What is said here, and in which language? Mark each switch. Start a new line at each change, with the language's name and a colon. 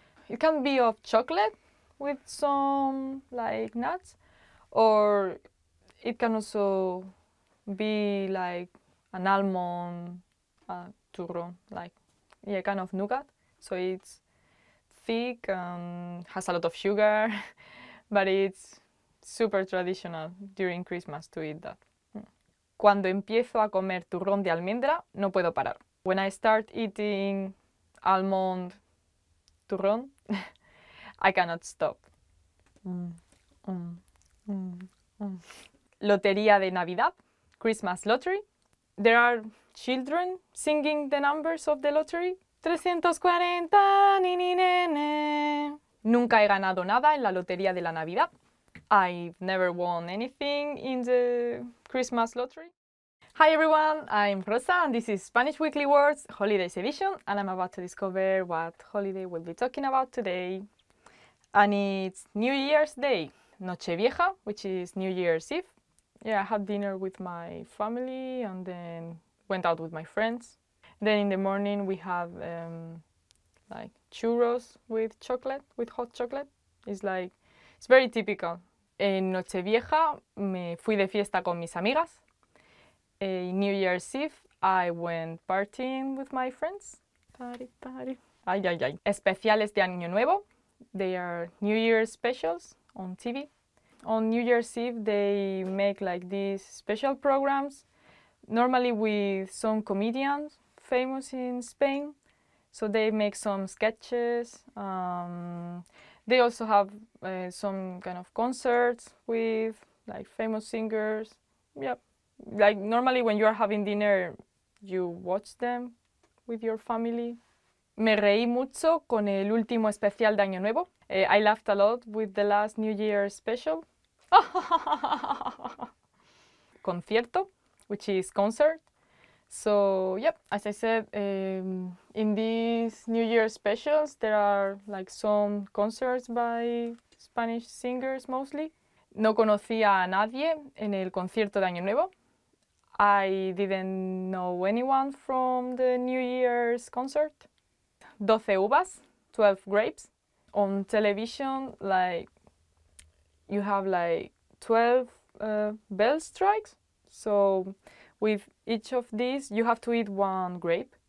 English: It can be of chocolate with some like nuts, or it can also be like an almond turrón, like yeah, kind of nougat. So it's thick and has a lot of sugar, but it's super traditional during Christmas to eat that.
Spanish: Cuando empiezo a comer turrón de almendra, no puedo parar.
English: When I start eating almond turrón, I cannot stop. Lotería de Navidad, Christmas Lottery. There are children singing the numbers of the lottery. 340, ni ni ne ne.
Spanish: Nunca he ganado nada en la lotería de la Navidad.
English: I've never won anything in the Christmas lottery. Hi everyone, I'm Rosa and this is Spanish Weekly Words Holidays Edition, and I'm about to discover what holiday we'll be talking about today. And it's New Year's Day, Nochevieja, which is New Year's Eve. Yeah, I had dinner with my family and then went out with my friends. Then in the morning we have like churros with chocolate, with hot chocolate. It's like, it's very typical.
Spanish: En Nochevieja me fui de fiesta con mis amigas.
English: In New Year's Eve, I went partying with my friends. Party, party.
Spanish: Ay, ay, ay. Especiales de Año Nuevo.
English: They are New Year's specials on TV. On New Year's Eve, they make like these special programs, normally with some comedians famous in Spain. So they make some sketches. They also have some kind of concerts with like famous singers. Yep. Like normally when you are having dinner, you watch them with your family.
Spanish: Me reí mucho con el último especial de Año Nuevo.
English: I laughed a lot with the last New Year special. Concierto, which is concert. So, yep, as I said, in these New Year specials, there are like some concerts by Spanish singers mostly.
Spanish: No conocía a nadie en el concierto de Año Nuevo.
English: I didn't know anyone from the New Year's concert. 12 uvas, 12 grapes. On television, like, you have like 12 bell strikes. So with each of these, you have to eat one grape.